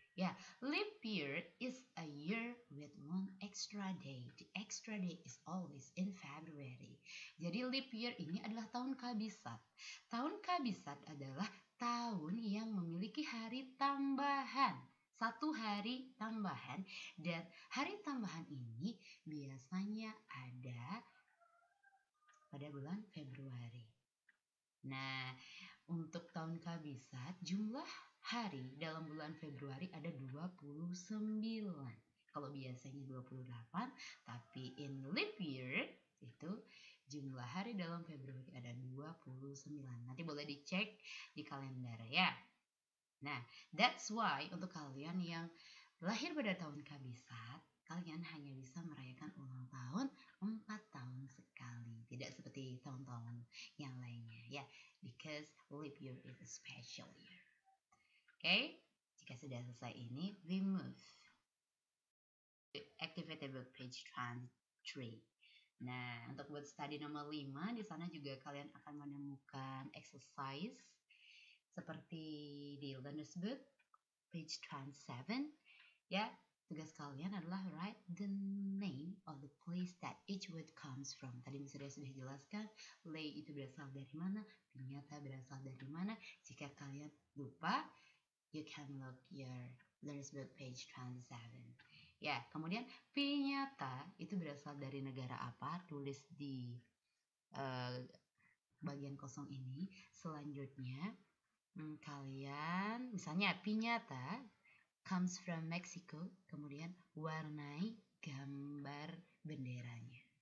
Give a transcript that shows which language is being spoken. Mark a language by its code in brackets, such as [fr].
[en] Ya, leap year is a year with one extra day. The extra day is always in February. [id] Jadi [en] leap year [id] ini adalah tahun kabisat. Tahun kabisat adalah tahun yang memiliki hari tambahan. Satu hari tambahan, dan hari tambahan ini biasanya ada pada bulan Februari. Nah, untuk tahun kabisat, jumlah hari dalam bulan Februari ada 29. Kalau biasanya 28, tapi [en] in leap year, [id] itu jumlah hari dalam Februari ada 29. Nanti boleh dicek di kalender ya. Nah, [en] that's why [id] untuk kalian yang lahir pada tahun kabisat, kalian hanya bisa merayakan ulang tahun 4 tahun sekali. Tidak seperti tahun-tahun yang lainnya. Ya, [en] because leap year is a special year. [id] Okay, jika sudah selesai ini, [en] we move. Activate the book page 23. [id] Nah, untuk [en] word study [id] nomor 5, di sana juga kalian akan menemukan exercise. Seperti di learner's book, page 27, ya, tugas kalian adalah [en] write the name of the place that each word comes from. [id] Tadi misalnya sudah jelaskan, lei itu berasal dari mana, pinata berasal dari mana. Jika kalian lupa, [en] you can look your learner's book, page 27. [id] Ya, kemudian pinata itu berasal dari negara apa, tulis di bagian kosong ini. Selanjutnya, kalian, misalnya [en] pinata comes from Mexico, [id] kemudian warnai gambar benderanya.